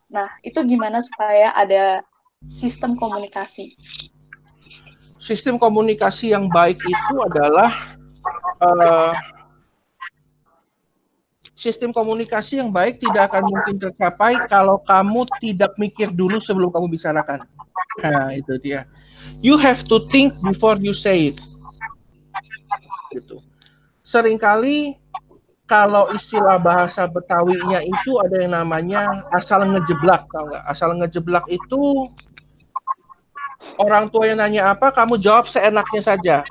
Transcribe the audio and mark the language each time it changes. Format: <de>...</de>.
<id>Nah, itu gimana supaya ada sistem komunikasi? Sistem komunikasi yang baik itu adalah sistem komunikasi yang baik tidak akan mungkin tercapai kalau kamu tidak mikir dulu sebelum kamu bicarakan. Nah, itu dia.</id> <en>You have to think before you say it.</en> <id>Gitu. Seringkali kalau istilah bahasa Betawinya itu ada yang namanya asal ngejeblak, tau nggak? Asal ngejeblak itu orang tua yang nanya apa, kamu jawab seenaknya saja.</id>